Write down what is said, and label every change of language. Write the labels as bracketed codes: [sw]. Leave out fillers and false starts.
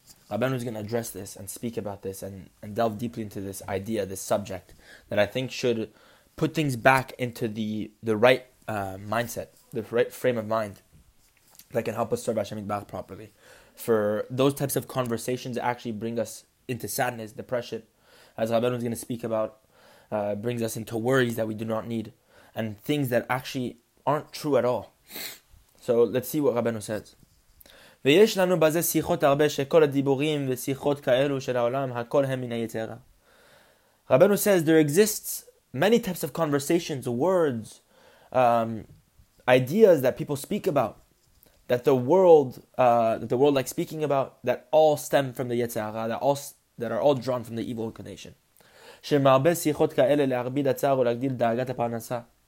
[en] Rabbeinu is going to address this and speak about this and delve deeply into this idea, this subject, that I think should put things back into the right mindset, the right frame of mind that can help us serve Hashem Yitbarach properly. For those types of conversations actually bring us into sadness, depression, as Rabbeinu is going to speak about, brings us into worries that we do not need and things that actually aren't true at all. So let's see what Rabbeinu says. [he] ויש לנו בזה שיחות הרבה שכל הדיבורים ושיחות כאלו של העולם הכל הם מן היצרה. [en] Rabbeinu says there exists many types of conversations, words, ideas that people speak about, that the world likes speaking about, that all stem from the yetzara, that are all drawn from the evil inclination. [he] שמרבה שיחות כאלה להרביד הצער ולהגדיל דאגת הפרנסה.